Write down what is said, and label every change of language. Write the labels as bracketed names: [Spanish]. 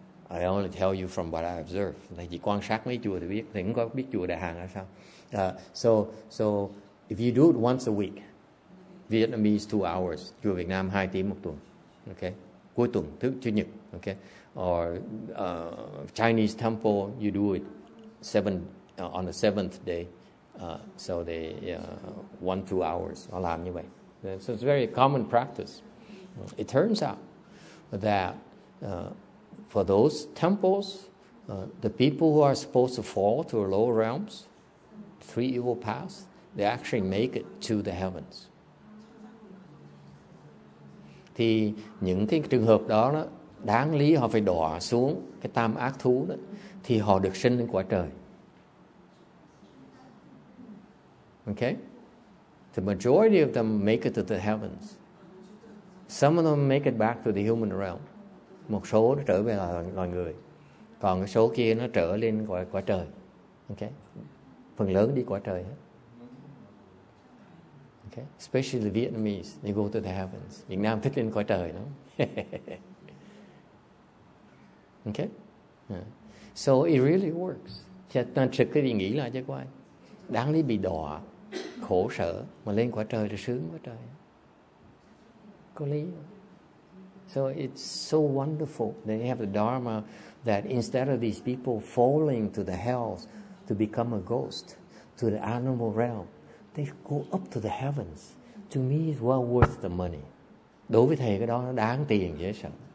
[English] I only tell you from what I observe. [Vietnamese] Thầy chỉ quan sát mấy chùa thì biết, thầy cũng có biết chùa Đại Hàng hay sao. [English] So if you do it once a week, Vietnamese 2 hours, [Vietnamese] chùa Việt Nam 2 tiếng một tuần. Okay. Cuối tuần, thứ chủ nhật. Okay. [English] Or Chinese temple, you do it on the seventh day. So they 1-2 hours. [Vietnamese] I'll làm như vậy. [English] So it's a very common practice. It turns out that for those temples, the people who are supposed to fall to the lower realms, 3 evil paths, they actually make it to the heavens. [Vietnamese] Thì những cái trường hợp đó, đó đáng lý họ phải đọa xuống cái tam ác thú đó, thì họ được sinh lên quả trời. [English] Okay? The majority of them make it to the heavens. Some of them make it back to the human realm. [Vietnamese] Một số nó trở về loài người. Còn cái số kia nó trở lên quả trời. Okay? Phần lớn đi quả trời hết. [English] Okay? Especially the Vietnamese, they go to the heavens. [Vietnamese] Việt Nam thích lên quả trời lắm. [English] Okay? Yeah. So it really works. [Vietnamese] Chắc ta trực cái gì nghĩ là chắc quay. Đáng lý bị đọa khổ sở mà lên quả trời là sướng quá trời. Có lý. [English] So it's so wonderful they have the dharma that instead of these people falling to the hells to become a ghost to the animal realm, they go up to the heavens. To me it's well worth the money. [Vietnamese] Đối với thầy cái đó nó đáng tiền dễ sợ.